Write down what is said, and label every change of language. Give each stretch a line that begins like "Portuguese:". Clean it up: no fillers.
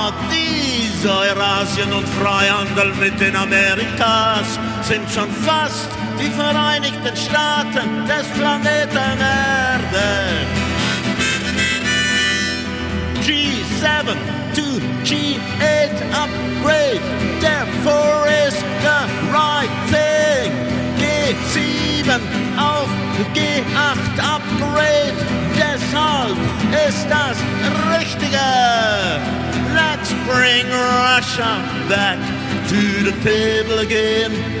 German: Diese Eurasien und Freihandel mit den Amerikas sind schon fast die Vereinigten Staaten des Planeten Erde.
English: G7 to G8 upgrade, therefore is the right thing.
German: G7 auf G8 upgrade, deshalb ist das Richtige.
English: Let's bring Russia back to the table again.